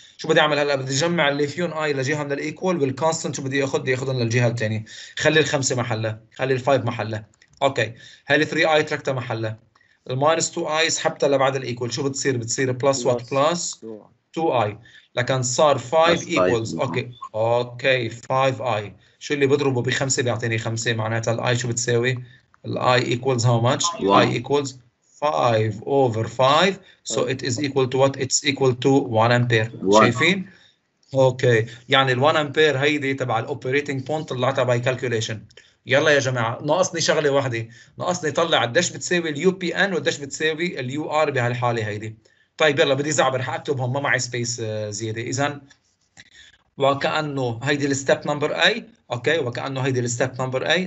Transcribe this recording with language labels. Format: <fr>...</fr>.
<ar>شو بدي اعمل هلا؟ بدي اجمع اللي فيهم اي لجهه من الايكوال، والكونستنت شو بدي اخذ؟ بدي اخذهم للجهه الثانيه. خلي الخمسه محلها، خلي الفايف محلها. اوكي هل 3 اي تركتها محلها، الماينس 2 اي سحبتها لبعد الايكوال، شو بتصير؟ بتصير بلس وات؟ بلس 2i لكن صار 5 equals اوكي 5i. شو اللي بضربه بخمسة بيعطيني خمسة، معناتها الi شو بتساوي؟</ar> <en>الi equals how much؟ i equals 5 over 5 so it is equal to what؟ it's equal to 1 ampere.</en> <ar>شايفين؟ اوكي يعني ال 1 ampere هيدي تبع الاوبريتنج بوينت طلعتها باي كالكوليشن. يلا يا جماعة ناقصني شغلة واحدة، ناقصني طلع قديش بتساوي ال UPN وقديش بتساوي ال UR بهالحالة هيدي. طيب يلا بدي زعبر حاكتبهم ما معي سبيس زيادة. إذا وكأنه هيدي الستيب نمبر اي اوكي، وكأنه هيدي الستيب نمبر اي.</ar>